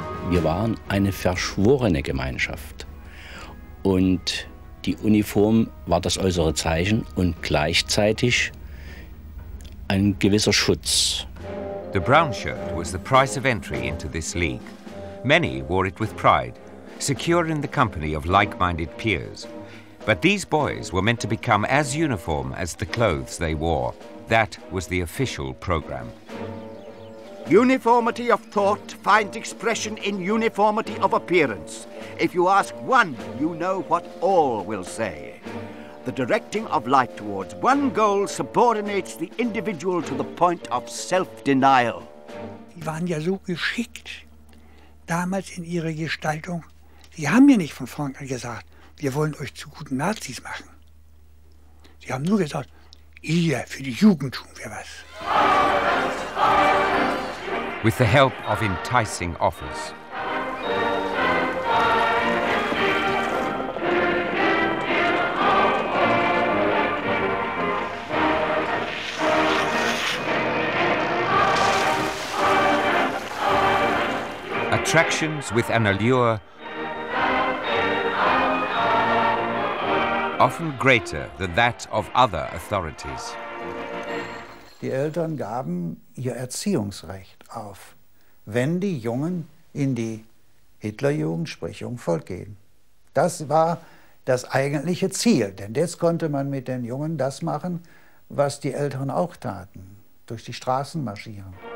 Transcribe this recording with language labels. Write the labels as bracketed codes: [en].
[de] Wir waren eine verschworene Gemeinschaft. Und die Uniform war das äußere Zeichen und gleichzeitig ein gewisser Schutz. [en] The brown shirt was the price of entry into this league. Many wore it with pride, secure in the company of like-minded peers. But these boys were meant to become as uniform as the clothes they wore. That was the official program. Uniformity of thought finds expression in uniformity of appearance. If you ask one, you know what all will say. The directing of life towards one goal subordinates the individual to the point of self-denial. [de] Die waren ja so geschickt damals in ihrer Gestaltung. Sie haben ja nicht von vornherein gesagt, wir wollen euch zu guten Nazis machen. Sie haben nur gesagt, ihr, für die Jugend tun wir was. [en] With the help of enticing offers. Attractions with an allure often greater than that of other authorities. [de] Die Eltern gaben ihr Erziehungsrecht auf, wenn die Jungen in die Hitlerjugend, sprich Jungvolk, gehen. Das war das eigentliche Ziel, denn jetzt konnte man mit den Jungen das machen, was die Eltern auch taten, durch die Straßen marschieren.